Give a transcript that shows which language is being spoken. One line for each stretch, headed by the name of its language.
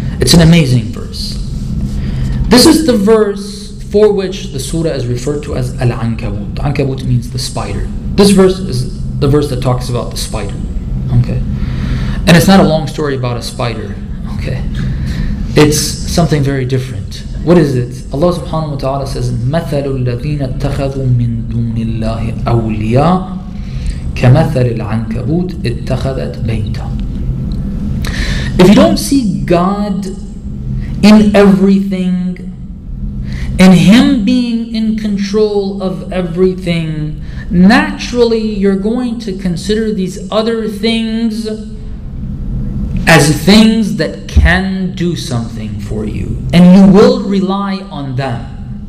English: It's an amazing verse. This is the verse for which the surah is referred to as Al-Ankabut. Ankabut means the spider. This verse is the verse that talks about the spider. Okay. And it's not a long story about a spider. Okay. It's something very different. What is it? Allah subhanahu wa ta'ala says,
Arabic: مَثَلُ الَّذِينَ اتَّخَذُوا مِن دُونِ اللَّهِ أَوْلِيَاءَ كَمَثَلِ الْعَنْكَبُوتِ اتَّخَذَتْ بَيْتًا.
English: If you don't see God in everything, and Him being in control of everything, naturally you're going to consider these other things as things that can do something for you, and you will rely on them.